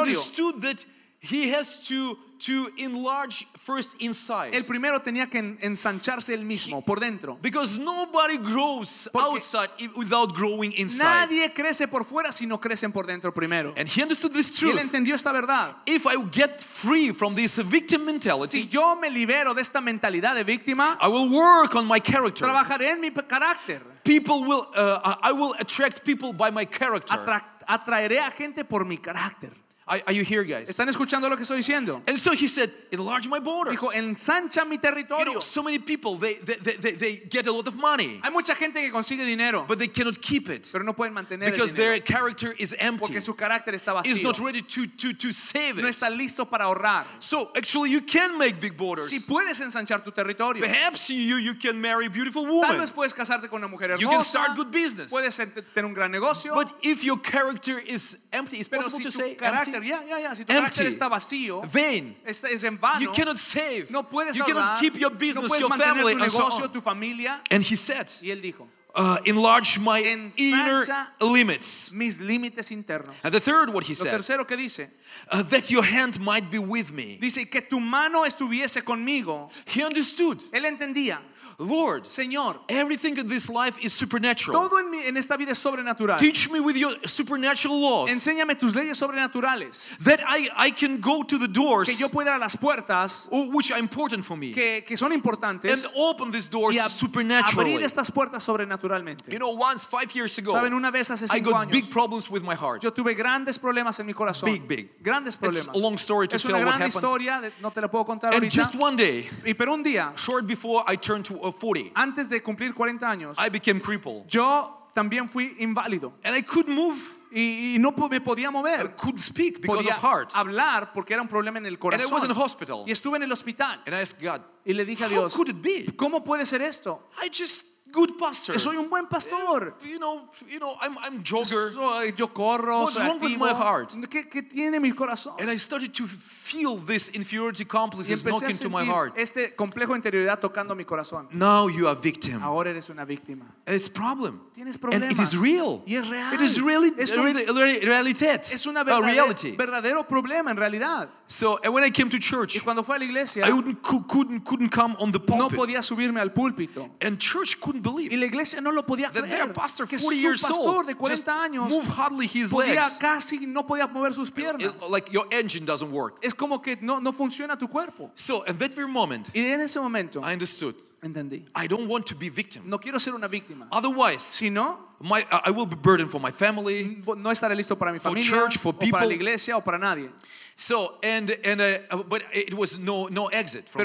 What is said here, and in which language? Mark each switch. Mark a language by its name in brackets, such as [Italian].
[English] Understood that he has to enlarge first inside. [Spanish] El primero tenía que ensancharse el mismo por dentro. [English] Because nobody grows [Spanish] porque [English] outside without growing inside. [Spanish] Nadie crece por fuera si no crecen por dentro primero. [English] And he understood this truth. [Spanish] Y él entendió esta verdad. [English] If I get free from this victim mentality, [Spanish] si yo me libero de esta mentalidad de víctima, [English] I will work on my character. [Spanish] Trabajaré en mi carácter. [English] People will I will attract people by my character. [Spanish] Atraeré a gente por mi carácter. [English] Are you here, guys? [Spanish] ¿Están escuchando lo que estoy diciendo? [English] And so he said, enlarge my borders. [Spanish] Dijo, ensancha mi territorio. [English] You know, so many people they get a lot of money. [Spanish] Hay mucha gente que consigue dinero. [English] But they cannot keep it. [Spanish] Pero no pueden mantener [English] because [Spanish] el dinero. [English] Their character is empty. [Spanish] Porque su carácter está vacío. [English] Is not ready to save it. [Spanish] No está listo para ahorrar. [English] So actually you can make big borders. [Spanish] Si puedes ensanchar tu territorio. [English] Perhaps you can marry a beautiful woman. [Spanish] Tal vez puedes casarte con una mujer hermosa. [English] You can start good business. [Spanish] Puedes tener un gran negocio. [English] But if your character is empty, is possible [Spanish] si [English] to say empty? [Spanish] Si tu está vacío, [English] vain. [Spanish] Es en vano, [English] you cannot save. [Spanish] No [English] you [Spanish] hablar, [English] cannot keep your business, [Spanish] no [English] your family, [Spanish] tu negocio, [English] and so on. [Spanish] Tu familia, [English] and he said, [Spanish] y él dijo, [English] enlarge my inner limits. [Spanish] Mis límites internos. [English] And the third, what he [Spanish] lo [English] said, [Spanish] tercero, ¿qué dice? [English] That your hand might be with me. [Spanish] Dice, que tu mano estuviese conmigo. [English] He understood. [Spanish] Él entendía. [English] Lord, [Spanish] Señor, [English] everything in this life is supernatural. [Spanish] Todo en esta vida es sobrenatural. [English] Teach me with your supernatural laws. [Spanish] Enséñame tus leyes sobrenaturales. [English] That I can go to the doors, [Spanish] que yo pueda ir a las puertas, [English] which are important for me, [Spanish] que son importantes, [English] and open these doors supernaturally. [Spanish] Abrir estas puertas sobrenaturalmente. [English] You know, once 5 years ago, [Spanish] ¿saben, una vez hace cinco [English] I got [Spanish] años, [English] big problems with my heart. [Spanish] Yo tuve grandes problemas en mi corazón. [English] Big. [Spanish] Grandes problemas. [English] It's a long story to [Spanish] es [English] tell [Spanish] una gran [English] what [Spanish] historia, [English] happened. [Spanish] No te la puedo contar [English] and [Spanish] ahorita, [English] just one day, [Spanish] y pero un día, [English] short before I turned to 40. [Spanish] Antes de cumplir 40 años, [English] I became crippled. [Spanish] Yo también fui inválido. [English] And I couldn't move. [Spanish] Y no me podía mover. [English] I couldn't speak because [Spanish] podía [English] of heart. [Spanish] Hablar porque era un problema en el corazón. [English] And I was in hospital. [Spanish] Y estuve en el hospital. [English] And I asked God. [Spanish] Y le dije [English] how [Spanish] a Dios, [English] could it be? [Spanish] ¿Cómo puede ser esto? [English] I just good pastor. [Spanish] Soy un buen pastor. [English] You know, I'm jogger. [Spanish] Yo corro, [English] what's wrong [Spanish] activo [English] with my heart? [Spanish] ¿Qué tiene mi corazón? [English] And I started to feel this inferiority complex knocking to my heart. [Spanish] Este complejo de inferioridad tocando mi corazón. [English] Now you are victim. [Spanish] Ahora eres una víctima. [English] It's problem. [Spanish] Tienes problemas. [English] And it is real. [Spanish] Y es real. [English] It is really realitet. [Spanish] Es una verdad. Verdadero problema en realidad. [English] So and when I came to church, [Spanish] y cuando fui a la iglesia, [English] I couldn't come on the pulpit. [Spanish] No podía subirme al púlpito. [English] And church couldn't couldn't believe. [Spanish] Y la iglesia no lo podía [English] that [Spanish] creer. [English] Their pastor, 40 [Spanish] que su [English] years [Spanish] pastor [English] old, [Spanish] de 40 años, [English] moved hardly his [Spanish] podía [English] legs. [Spanish] Casi no podía mover sus piernas. [English] It, like your engine doesn't work. [Spanish] Es como que no funciona tu cuerpo. [English] So at that very moment, [Spanish] y en ese momento, [English] I understood. [Spanish] Entendí. [English] I don't want to be victim. [Spanish] No quiero ser una víctima. [English] Otherwise, [Spanish] si no, [English] I will be burdened for my family, [Spanish] no estaré listo para mi familia, [English] for church, for people, [Spanish] o para la iglesia, o para nadie. [English] So but it was no exit from